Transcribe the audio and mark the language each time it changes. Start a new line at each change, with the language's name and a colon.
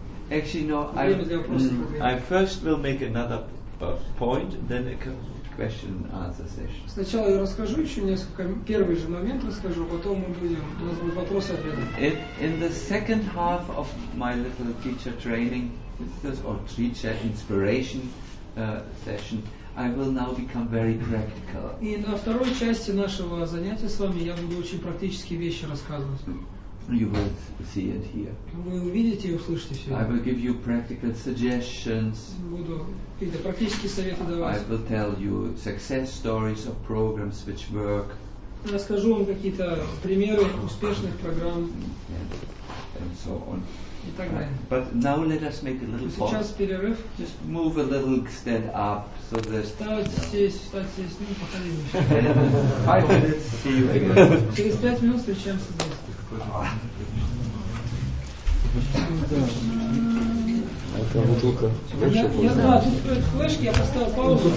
English: Actually, I first will make another point, then a question and answer session.
Russian: Сначала я расскажу еще несколько, первый же момент расскажу, потом мы будем, у нас будут вопросы-ответы.
English: In the second half of my little teacher training, or teacher inspiration session, I will now become very practical.
Russian: И на второй части нашего занятия с вами я буду очень практические вещи рассказывать.
English: You will see and hear.
Russian: Вы увидите и услышите все.
English: I will give you practical suggestions.
Russian: Буду какие-то практические советы давать.
English: I will tell you success stories of programs which work.
Russian: Расскажу вам какие-то примеры успешных программ.
English: And so on.
Russian: И так далее.
English: But now let us make a little pause.
Russian: Сейчас перерыв.
English: Just move a little stand up so that.
Russian: Встать здесь, ну походи.
English: Five minutes. See you again.
Russian: Через 5 минут встречаемся здесь. Это бутылка. Я знаю, тут флешки, я поставил паузу.